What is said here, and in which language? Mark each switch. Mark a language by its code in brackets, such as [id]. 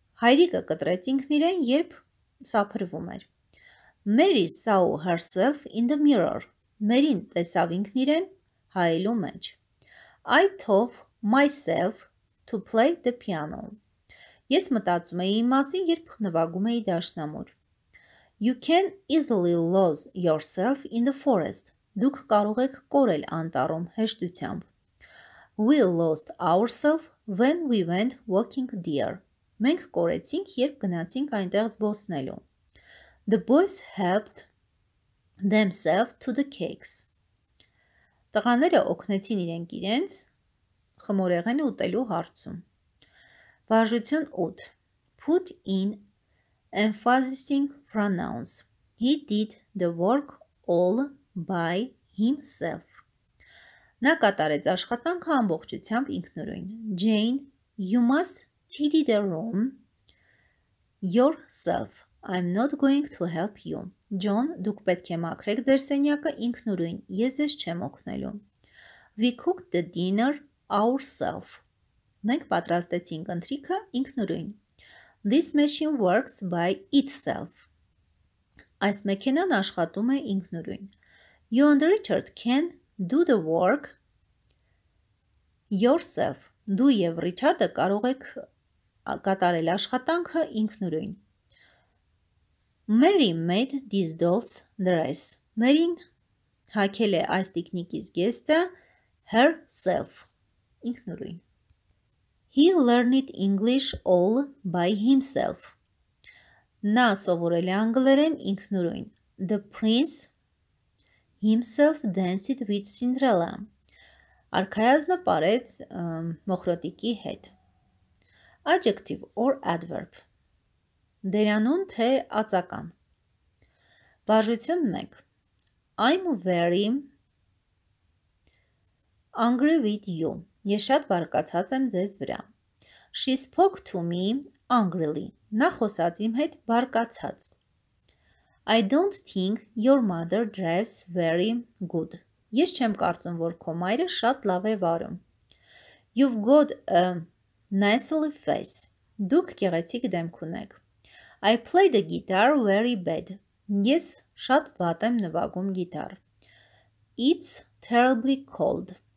[hy] Հայրիկը կտրեց ինքն իրեն, երբ սափրվում էր. [en] Mary saw herself in the mirror. [hy] Մերին տեսավ ինքն իրեն հայելու մեջ. [en] I taught myself to play the piano. [hy] Ես մտածում էի իմ մասին, երբ նվագում էի դաշնամուր. [en] You can easily lose yourself in the forest. [hy] Դուք կարող եք կորել անտառում հեշտությամբ. [en] We lost ourselves when we went walking deer. [hy] Մենք կորեցինք, երբ գնացինք այնտեղ զբոսնելու. [en] The boys helped themselves to the cakes. [hy] Տղաները օգնեցին իրենք իրենց խմորեղենը ուտելու հարցում. Վարժություն 8. [en] Put in emphasizing pronouns. He did the work all by himself. [hy] Նա կատարեց աշխատանքը ամբողջությամբ ինքնուրույն. [en] Jane, you must tidy the room yourself. I'm not going to help you. [hy] John, դուք պետք է մաքրեք ձեր սենյակը ինքնուրույն, ես ձեզ չեմ օգնելու. [en] We cooked the dinner ourselves. [hy] Մենք պատրաստեցինք ընթրիքը ինքնուրույն. [en] This machine works by itself. [hy] Այս մեքենան աշխատում է ինքնուրույն. [en] You and Richard can do the work yourself. [hy] Դու եւ Ռիչարդը կարող եք կատարել աշխատանքը ինքնուրույն. [en] Mary made this doll's dress. [hy] Mary-ն հագել է այս տիկնիկի զգեստը herself. Ինքնուրույն. [en] He learned English all by himself. [hy] Նա սովորել է անգլերեն ինքնուրույն. [en] The prince himself danced with Cinderella. [hy] Արքայազնը պարեց մոխրոտիկի հետ. [en] Adjective or adverb. [hy] Դերանուն թե ածական. Բաժություն 1. [en] I'm very angry with you. [hy] Ես շատ բարկացած եմ ձեզ վրա. [en] She spoke to me angrily. [hy] Նա խոսաց իմ հետ բարկացած. [en] I don't think your mother drives very good. [hy] Ես չեմ կարծում, որ քո մայրը շատ լավ է վարում. [en] You've got a nasally face. [hy] Դուք գեղեցիկ դեմք ունեք. [en] I play the guitar very bad. [hy] Ես շատ վատ եմ նվագում գիտար. [en] It's terribly cold.